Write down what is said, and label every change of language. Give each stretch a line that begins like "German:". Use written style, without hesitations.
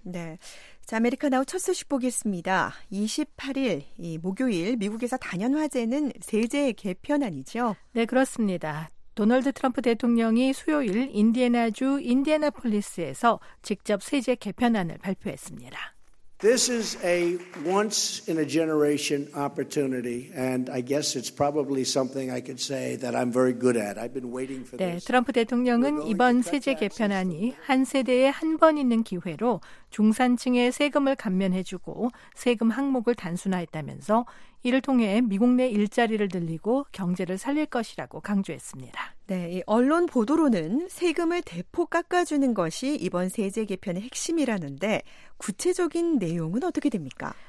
Korean: 네, 자, 아메리카나우 첫 소식 보겠습니다. 28일 이 목요일 미국에서 단연 화제는 세제 개편안이죠? 네, 그렇습니다. 도널드 트럼프 대통령이 수요일 인디애나주 인디애나폴리스에서 직접 세제 개편안을 발표했습니다.
English: This is a once in a generation opportunity and I guess it's probably something I could say that I'm very good at. I've been waiting for this.
Korean: 네, 트럼프 대통령은 이번 세제 개편안이 한 세대에 한 번 있는 기회로 중산층의 세금을 감면해 주고 세금 항목을 단순화했다면서 이를 통해 미국 내 일자리를 늘리고 경제를 살릴 것이라고 강조했습니다. 네, 언론 보도로는 세금을 대폭 깎아주는 것이 이번 세제 개편의 핵심이라는데 구체적인 내용은 어떻게 됩니까?